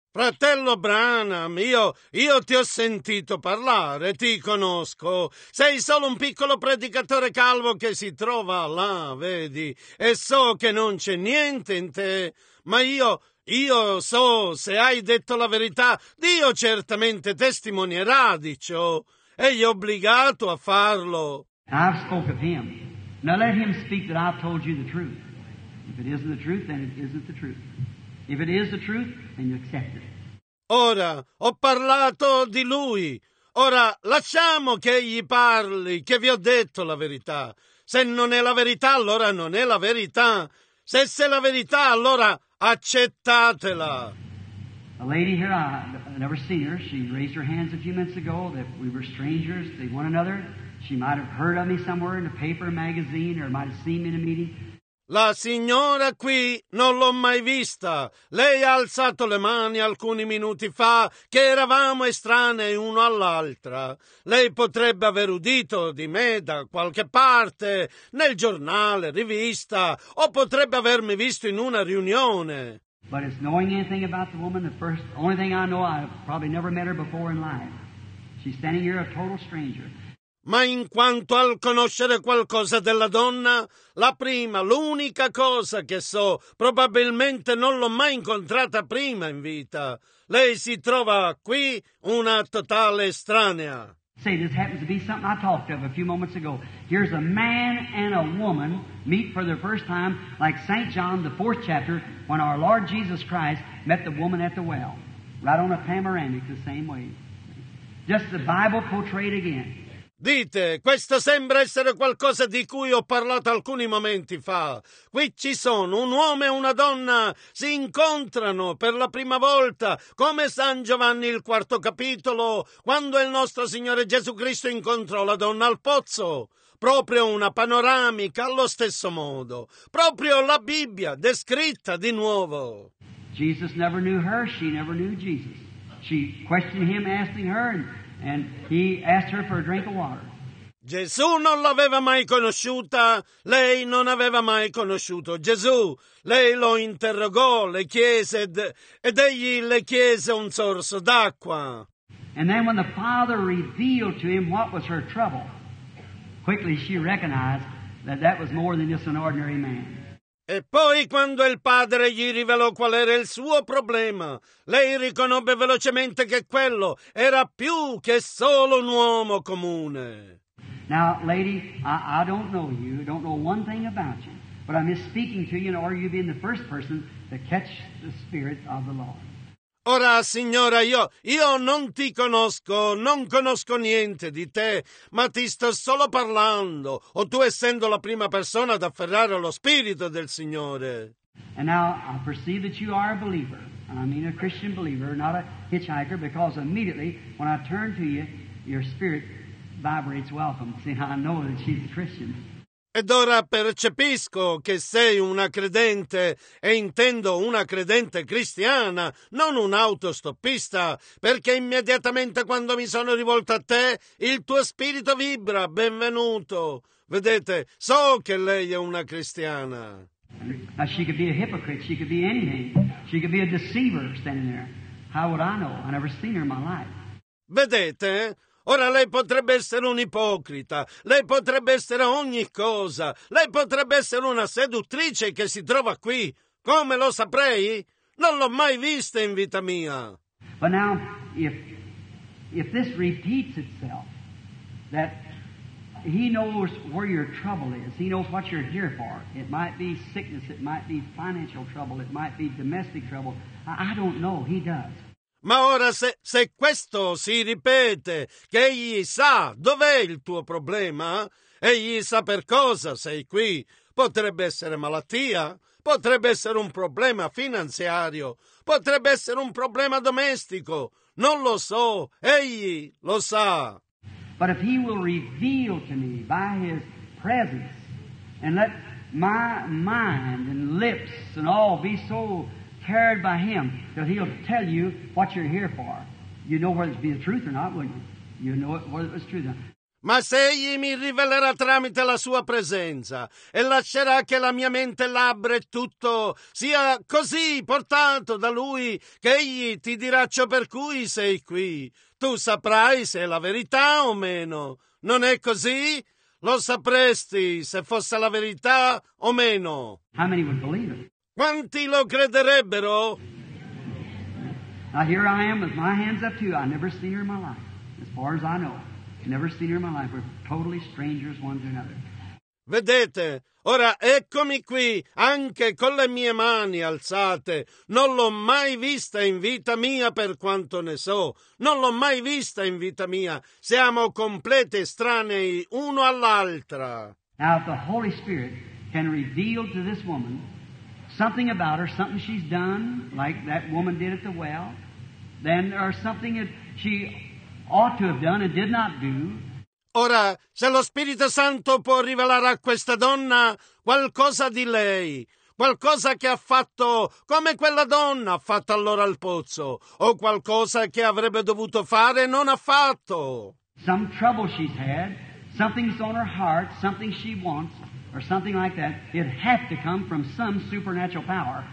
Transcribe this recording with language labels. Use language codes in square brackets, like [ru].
[it] Fratello Branham, io ti ho sentito parlare, ti conosco. Sei solo un piccolo predicatore calvo che si trova là, vedi? E so che non c'è niente in te, ma io so, se hai detto la verità, Dio certamente testimonierà di ciò. Egli è obbligato a farlo. [en] I've spoke of him. Now let him speak that I've told you the truth. If it isn't the truth, then it isn't the truth. If it is the truth, then you accept it. [it] Ora, ho parlato di lui. Ora, lasciamo che egli parli, che vi ho detto la verità. Se non è la verità, allora non è la verità. Se è la verità, allora... accettatela. [en] A lady here, I never seen her. She raised her hands a few minutes ago that we were strangers to one another. She might have heard of me somewhere in a paper, a magazine, or might have seen me in a meeting. [it] La signora qui non l'ho mai vista. Lei ha alzato le mani alcuni minuti fa che eravamo estranei uno all'altra. Lei potrebbe aver udito di me da qualche parte, nel giornale, rivista, o potrebbe avermi visto in una riunione. [en] But it's knowing anything about the woman, the first, only thing I know, I've probably never met her before in life. She's standing here a total stranger. [it] Ma in quanto al conoscere qualcosa della donna, la prima, l'unica cosa che so, probabilmente non l'ho mai incontrata prima in vita. Lei si trova qui una totale estranea. [en] Say, this happens to be something I talked of a few moments ago. Here's a man and a woman meet for the first time, like St. John, the fourth chapter, when our Lord Jesus Christ met the woman at the well. Right on a panoramic, the same way. Just the Bible portrayed again. [it] Dite, questo sembra essere qualcosa di cui ho parlato alcuni momenti fa. Qui ci sono un uomo e una donna, si incontrano per la prima volta, come San Giovanni il quarto capitolo, quando il nostro Signore Gesù Cristo incontrò la donna al pozzo. Proprio una panoramica allo stesso modo. Proprio la Bibbia descritta di nuovo. [en] Jesus never knew her, she never knew Jesus. She questioned him, asking her, and he asked her for a drink of water. [it] Gesù non l'aveva mai conosciuta, lei non aveva mai conosciuto Gesù. Lei lo interrogò, le chiese, ed egli le chiese un sorso d'acqua. [en] And then when the Father revealed to him what was her trouble, quickly she recognized that that was more than just an ordinary man. [it] E poi quando il padre gli rivelò qual era il suo problema, lei riconobbe velocemente che quello era più che solo un uomo comune. [en] Now, lady, I don't know you, don't know one thing about you, but I'm just speaking to you in order you being the first person to catch the Spirit of the Lord. [it] Ora, signora, io non ti conosco, non conosco niente di te, ma ti sto solo parlando, o tu essendo la prima persona ad afferrare lo Spirito del Signore. [en] And now I perceive that you are a believer, and I mean a Christian believer, not a hitchhiker, because immediately when I turn to you, your spirit vibrates welcome. See, I know that she's a Christian. [it] Ed ora percepisco che sei una credente, e intendo una credente cristiana, non un autostoppista, perché immediatamente quando mi sono rivolto a te, il tuo spirito vibra, benvenuto. Vedete, so che lei è una cristiana. [en] She could be a hypocrite, she could be anything, she could be a deceiver standing there. How would I know? I've never seen her in my life. [it] Vedete? Ora lei potrebbe essere un'ipocrita, lei potrebbe essere ogni cosa, lei potrebbe essere una seduttrice che si trova qui. Come lo saprei? Non l'ho mai vista in vita mia. [en] But now, if this repeats itself, that he knows where your trouble is, he knows what you're here for. It might be sickness, it might be financial trouble, it might be domestic trouble. I don't know, he does. [it] Ma ora se questo si ripete, che egli sa dov'è il tuo problema, egli sa per cosa sei qui, potrebbe essere malattia, potrebbe essere un problema finanziario, potrebbe essere un problema domestico, non lo so, egli lo sa. [en] But if he will reveal to me by his presence and let my mind and lips and all be so carried by him, that he'll tell you what you're here for. You know whether it's be the truth or not, wouldn't you? You know whether it was true then. [it] Ma se egli mi rivelerà tramite la sua presenza e lascerà che la mia mente, labbra e tutto sia così portato da lui, che egli ti dirà ciò per cui sei qui, tu saprai se è la verità o meno. Non è così? Lo sapresti se fosse la verità o meno. [en] How many would believe it? [it] Quanti lo crederebbero? [en] Now here I am with my hands up to you. I've never seen her in my life, as far as I know. Never seen her in my life. We're totally strangers one to another. [it] Vedete, ora eccomi qui, anche con le mie mani alzate. Non l'ho mai vista in vita mia, per quanto ne so. Non l'ho mai vista in vita mia. Siamo complete estranei uno all'altra. [en] Now if the Holy Spirit can reveal to this woman something about her, something she's done, like that woman did at the well, then, or something that she ought to have done and did not do. [it] Ora, se lo Spirito Santo può rivelare a questa donna qualcosa di lei, qualcosa che ha fatto come quella donna ha fatto allora al pozzo, o qualcosa che avrebbe dovuto fare e non ha fatto. [en] Some trouble she's had, something's on her heart, something she wants, or something like that, it had to come from some supernatural power.